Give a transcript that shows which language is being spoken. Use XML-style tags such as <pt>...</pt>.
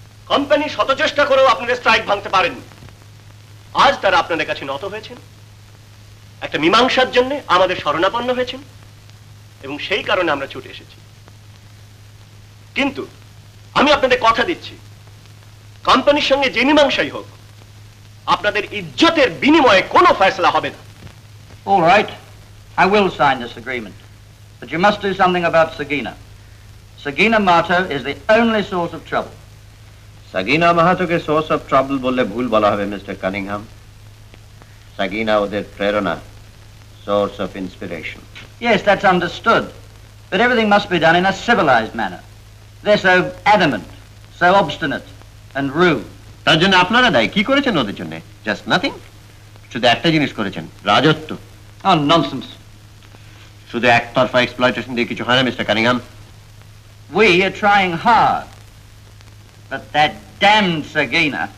<bn>Company শত চেষ্টা করেও আপনাদের স্ট্রাইক ভাঙতে পারেননি। আজ তারা আপনাদের কাছে নত হয়েছেন, একটা মীমাংসার জন্য আমাদের শরণাপন্ন হয়েছেন, এবং সেই কারণে আমরা ছুটে এসেছি। কিন্তু আমি আপনাদের কথা দিচ্ছি, কোম্পানির সঙ্গে যে মীমাংসাই হোক, আপনাদের ইজ্জতের বিনিময়ে কোনো ফয়সলা হবে না।</bn> <en>All right, I will sign this agreement, but you must do something about Sagina. Sagina Mahato is the only source of trouble. Sagina Mahato's source of trouble</en> <bn>বললে ভুল বলা হবে মিস্টার কানিংহাম।</bn> <en>Sagina</en> <bn>ওদের প্রেরণা,</bn> <en>source of inspiration. Yes, that's understood. But everything must be done in a civilized manner. They're so adamant, so obstinate and rude.</en> <bn>তার জন্য আপনারা দায়ী, কি করেছেন ওদের জন্য?</bn> <en>Just nothing.</en> <bn>শুধু একটা জিনিস করেছেন, রাজত্ব।</bn> <en>Oh, nonsense.</en> <bn>শুধু একতরফা exploitation দিয়ে কিছু হয় না mister Cunningham.</bn> <en>We are trying hard. But that damned Sagina.</en>